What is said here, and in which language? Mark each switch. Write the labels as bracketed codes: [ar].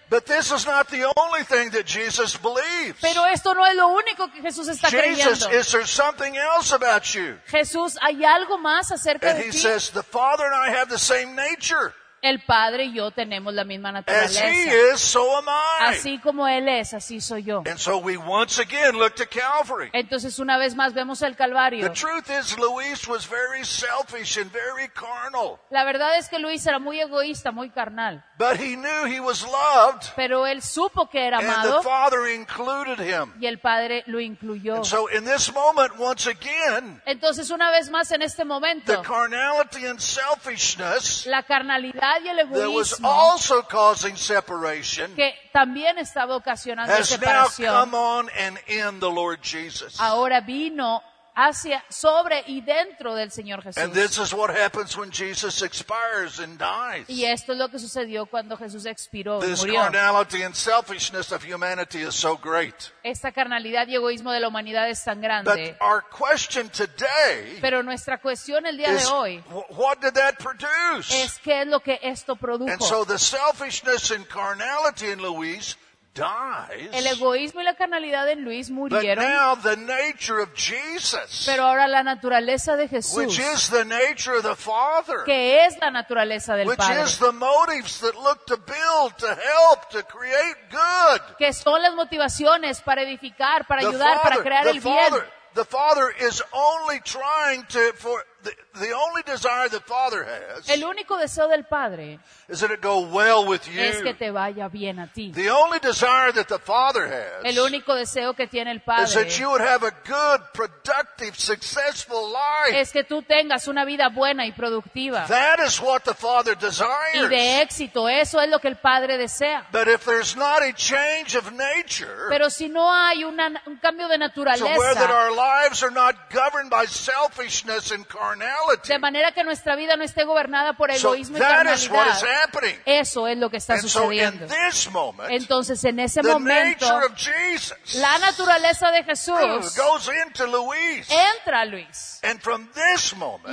[en] But this is not the only thing that Jesus believes. [es] Pero esto no es lo único que Jesús está creyendo. [en] Jesus, is there something else about you? [es] Jesús, hay algo más acerca [en] and [es] de ti. [en] And he says, the Father and I have the same nature. [es] El Padre y yo tenemos la misma naturaleza. [en] As he is, so am I. [es] Así como él es, así soy yo. [en] And so we once again look to Calvary. [es] Entonces una vez más vemos el Calvario. [en] The truth is, Luis was very selfish and very carnal. [es] La verdad es que Luis era muy egoísta, muy carnal. [en] But he knew he was loved. [es] Pero él supo que era amado. [en] And the Father included him. [es] Y el Padre lo incluyó. [en] And so in this moment, once again, [es] entonces una vez más en este momento, [en] the carnality and selfishness, [es] la carnalidad. [en] That was also causing separation. [es] Que también estaba ocasionando [en] has [es] separación. [en] Now come on and in the Lord Jesus. [es] Ahora vino hacia, sobre y dentro del Señor Jesús. [en] And this is what happens when Jesus expires and dies. [es] Y esto es lo que sucedió cuando Jesús expiró, [en] this [es] murió. [en] Carnality and selfishness of humanity is so great. [es] Esta carnalidad y egoísmo de la humanidad es tan grande. [en] But our question today, [es] pero nuestra cuestión el día [en] is, [es] de hoy, [en] what did that produce? [es] Es qué es lo que esto produjo. [en] And so the selfishness and carnality in Luis dies. [es] El egoísmo y la carnalidad en Luis murieron. [en] But now the nature of Jesus, [es] pero ahora la naturaleza de Jesús, [en] which is the nature of the Father, [es] que es la naturaleza del [en] which [es] Padre, [en] is the motives that look to build, to help, to create good, [es] que son las motivaciones para edificar, para ayudar, [en] Father, [es] para crear el bien. [en] The Father is only trying to, for the only desire the Father has, [es] el único deseo del Padre, [en] is that it go well with you. [es] Es que te vaya bien a ti. [en] The only desire that the Father has, [es] el único deseo que tiene el Padre, [en] is that you would have a good, productive, successful life. [es] Es que tú tengas una vida buena y productiva. [en] That is what the Father desires. [es] Y de éxito, eso es lo que el Padre desea. [en] But if there's not a change of nature, [es] pero si no hay una, un cambio de naturaleza, [en] to where that our lives are not governed by selfishness and [es] de manera que nuestra vida no esté gobernada por egoísmo [en] so [es] y carnalidad. Eso es lo que está [en] and [es] sucediendo. [en] So in this moment, [es] entonces, en ese momento, la naturaleza de Jesús [en] goes into Luis, [es] entra a Luis. [en] And from this moment,